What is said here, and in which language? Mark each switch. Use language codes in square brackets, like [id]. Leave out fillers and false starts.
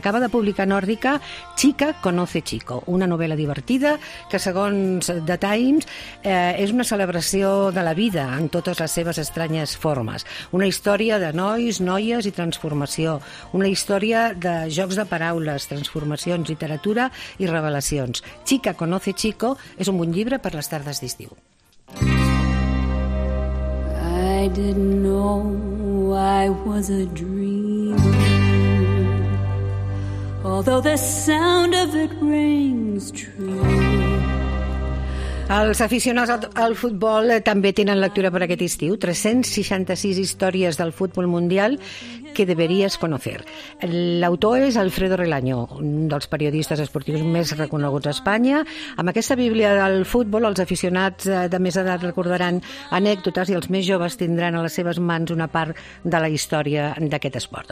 [ca] Acaba de publicar Nòrdica, Chica conoce Chico, una novel·la divertida que, segons The Times, és una celebració de la vida en totes les seves estranyes formes. Una història de nois, noies i transformació. Una història de jocs de paraules, transformacions, literatura i revelacions. Chica conoce Chico és un bon llibre per les tardes d'estiu. [en] I didn't know I was a dreamer, although the sound of it rings true. [ca] Els aficionats al futbol també tenen lectura per aquest estiu. 366 històries del futbol mundial que deberías conocer. L'autor és Alfredo Relaño, un dels periodistes esportius més reconeguts a Espanya. Amb aquesta bíblia del futbol, els aficionats de més edat recordaran anècdotes i els més joves tindran a les seves mans una part de la història d'aquest esport.